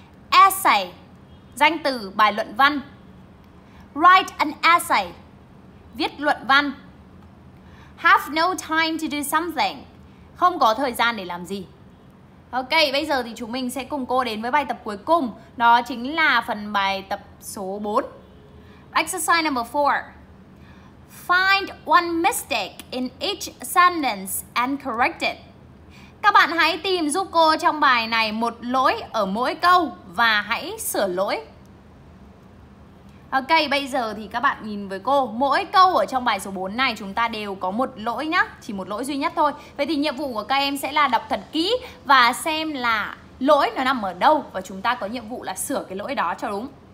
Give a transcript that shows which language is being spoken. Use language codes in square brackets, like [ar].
[vi] Essay, danh từ, bài luận văn. [en] Write an essay, [vi] viết luận văn. [en] Have no time to do something, [vi] không có thời gian để làm gì. Ok, bây giờ thì chúng mình sẽ cùng cô đến với bài tập cuối cùng. Đó chính là phần bài tập số 4. [en] Exercise number 4. Find one mistake in each sentence and correct it. [vi] Các bạn hãy tìm giúp cô trong bài này một lỗi ở mỗi câu và hãy sửa lỗi. Ok, bây giờ thì các bạn nhìn với cô, mỗi câu ở trong bài số 4 này chúng ta đều có một lỗi nhá, chỉ một lỗi duy nhất thôi. Vậy thì nhiệm vụ của các em sẽ là đọc thật kỹ và xem là lỗi nó nằm ở đâu và chúng ta có nhiệm vụ là sửa cái lỗi đó cho đúng.